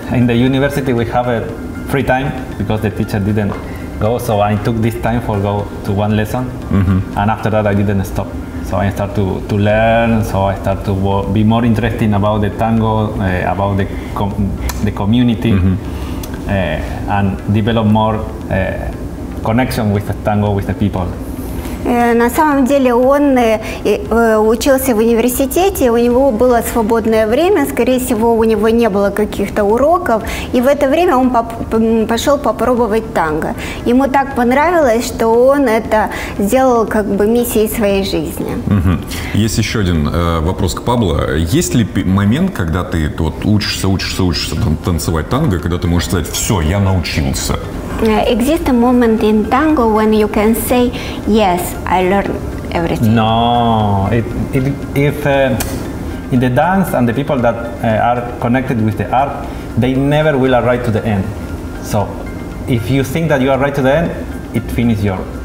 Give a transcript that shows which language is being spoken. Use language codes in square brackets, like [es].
[en] In the university we have a free time because the teacher didn't go, so I took this time for go to one lesson, and after that I didn't stop. So I start to learn. So I start to be more interested about the tango, about the community, and develop more connection with the tango, with the people. [ru] На самом деле он учился в университете, у него было свободное время, скорее всего, у него не было каких-то уроков, и в это время он пошел попробовать танго. Ему так понравилось, что он это сделал как бы миссией своей жизни. Угу. Есть еще один вопрос к Пабло. Есть ли момент, когда ты вот, учишься танцевать танго, когда ты можешь сказать: «Все, я научился»? [en] Exist a moment in tango when you can say, yes, I learned everything. No, if in the dance and the people that are connected with the art, they never will arrive to the end. So if you think that you are right to the end, it finishes your